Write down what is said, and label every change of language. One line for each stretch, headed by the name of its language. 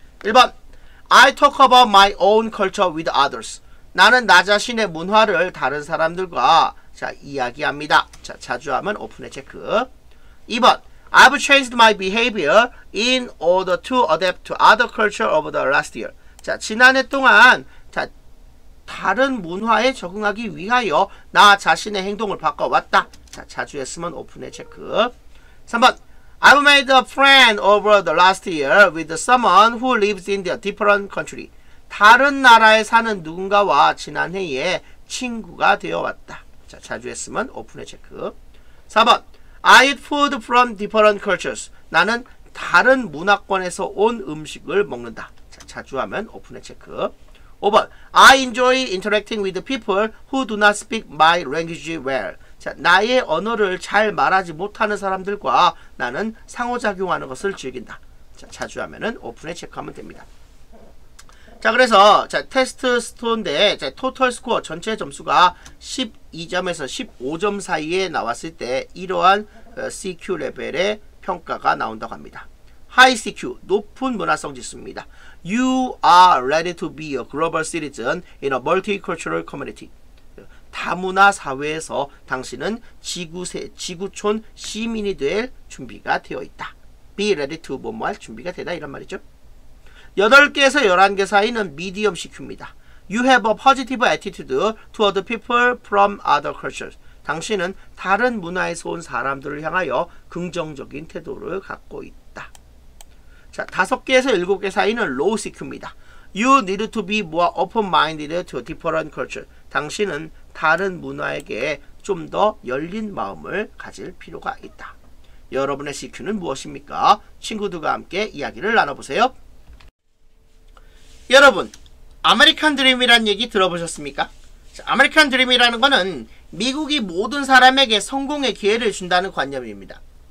English: 1번, I talk about my own culture with others.
Korean: 나는 나 자신의 문화를 다른 사람들과 자 이야기합니다. 자, 자주 하면 오픈의 체크.
English: 2번, I've changed my behavior in order to adapt to other culture over the last year.
Korean: 자, 지난해 동안 자 다른 문화에 적응하기 위하여 나 자신의 행동을 바꿔왔다. 자, 자주 했으면 오픈의 체크.
English: 3번, I've made a friend over the last year with someone who lives in a different country.
Korean: 다른 나라에 사는 누군가와 지난해에 친구가 되어왔다. 자, 자주 했으면 오픈의 체크.
English: 4번, I eat food from different cultures.
Korean: 나는 다른 문화권에서 온 음식을 먹는다. 자, 자주 하면 오픈의 체크.
English: 5번, I enjoy interacting with people who do not speak my language well.
Korean: 자, 나의 언어를 잘 말하지 못하는 사람들과 나는 상호작용하는 것을 즐긴다. 자, 자주 하면은 오픈에 체크하면 됩니다. 자, 그래서 자, 테스트 스코어인데 자, 토털 스코어 전체 점수가 12점에서 15점 사이에 나왔을 때 이러한 CQ 레벨의 평가가 나온다고 합니다.
English: High CQ,
Korean: 높은 문화성 지수입니다.
English: You are ready to be a global citizen in a multicultural community.
Korean: 다문화 사회에서 당신은 지구촌 시민이 될 준비가 되어 있다.
English: Be ready to
Korean: 뭐뭐 할 준비가 되다 이런 말이죠. 8개에서 11개 사이는 medium CQ입니다.
English: You have a positive attitude toward people from other cultures.
Korean: 당신은 다른 문화에서 온 사람들을 향하여 긍정적인 태도를 갖고 있다. 자, 5개에서 7개 사이는 low CQ입니다.
English: You need to be more open-minded to different cultures.
Korean: 당신은 다른 문화에게 좀 더 열린 마음을 가질 필요가 있다. 여러분의 CQ는 무엇입니까? 친구들과 함께 이야기를 나눠보세요. 여러분, 아메리칸 드림이라는 얘기 들어보셨습니까? 자, 아메리칸 드림이라는 것은 미국이 모든 사람에게 성공의 기회를 준다는 관념입니다.